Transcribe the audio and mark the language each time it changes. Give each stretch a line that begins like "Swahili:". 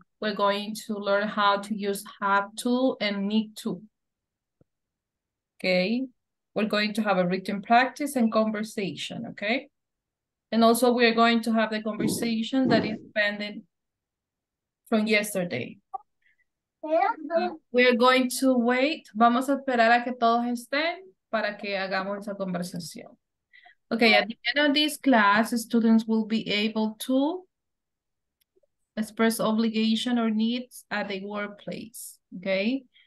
English: We're going to learn how to use have to and need to. Okay. We're going to have a written practice and conversation, okay? And also we are going to have the conversation that is pending from yesterday. We are going to wait.
Spanish: Vamos a esperar a que todos estén para que hagamos esa conversación.
English: Okay, at the end of this class, students will be able to express obligation or needs at the workplace, okay?